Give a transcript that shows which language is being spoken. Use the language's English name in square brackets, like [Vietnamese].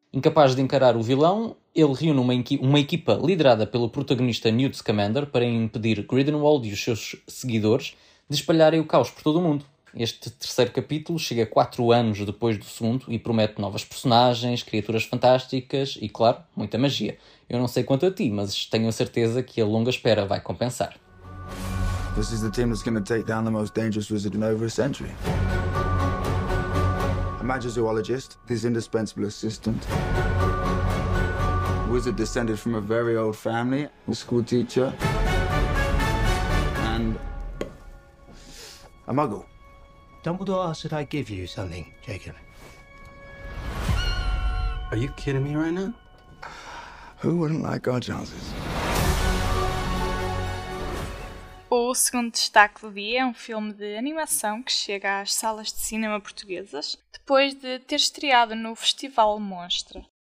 [Portuguese] Incapaz de encarar o vilão, ele reúne uma equipa liderada pelo protagonista Newt Scamander para impedir Grindelwald e os seus seguidores de espalharem o caos por todo o mundo. Este terceiro capítulo chega 4 anos depois do segundo e promete novas personagens, criaturas fantásticas e, claro, muita magia. Eu não sei quanto a ti, mas tenho a certeza que a longa espera vai compensar. [English] This is the team that's going to take down the most dangerous wizard in over a century. A magizoologist, his indispensable assistant. Wizard descended from a very old family, a school teacher, and a muggle. Dumbledore asked that I give you something, Jacob. Are you kidding me right now? Who wouldn't like our chances? [Portuguese] O segundo destaque do dia é um filme de animação que chega às salas de cinema portuguesas depois de ter estreado no Festival Monstra.